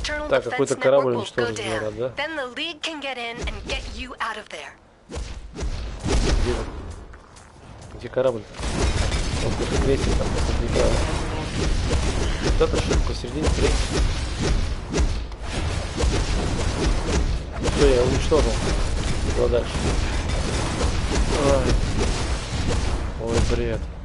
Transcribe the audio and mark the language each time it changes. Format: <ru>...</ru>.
<ru>Так, какой-то корабль уничтожить надо, да?</ru> <en>Then the League can get in and get you out of there.</en> <ru>Где корабль-то? Вот какой-то третий там, посреди корабля. Вот это что, посередине третий? Ну что, я уничтожил. Куда дальше? Ай. Ой, бред.</ru>